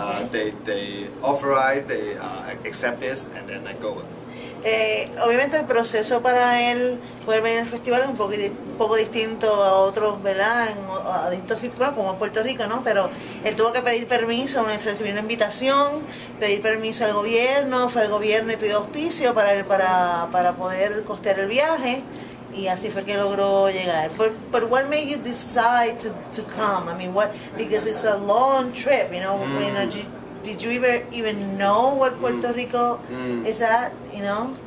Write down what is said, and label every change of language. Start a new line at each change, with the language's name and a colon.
English: They authorize, they accept this, and then I go.
Spanish: Obviamente el proceso para él poder venir al festival es un poco distinto a otros, ¿verdad? A distintos sitios, bueno, como Puerto Rico, ¿no? Pero él tuvo que pedir permiso, recibir una invitación, pedir permiso al gobierno, fue al gobierno y pidió auspicio para poder costear el viaje, y así fue que logró llegar.
English: But what made you decide to come? I mean, because it's a long trip, you know? Mm. Did you even know what Puerto Rico is at, you know?